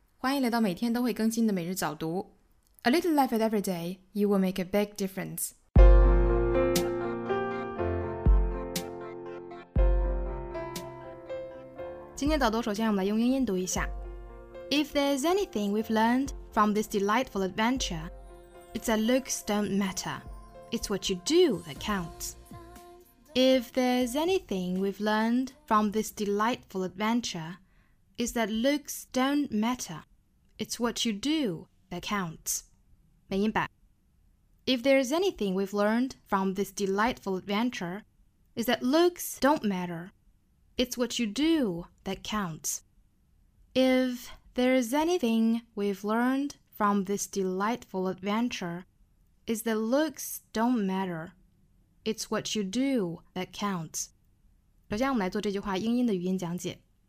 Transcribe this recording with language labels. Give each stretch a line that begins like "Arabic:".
Chinese: 欢迎来到每天都会更新的每日早读。
English: A little life at every day, you will make a big difference.
Chinese: 今天早读首先我们来用英音读一下。
English: If there's anything we've learned from this delightful adventure, it's that looks don't matter. It's what you do that counts. If there's anything we've learned from this delightful adventure,is that looks don't matter. It's what you do that counts.
Chinese: 美音版
English: If there's anything we've learned from this delightful adventure, is that looks don't matter. It's what you do that counts. If there's anything we've learned from this delightful adventure, is that looks don't matter. It's what you do that counts.
Chinese: 首先我们来做这句话英音的语音讲解。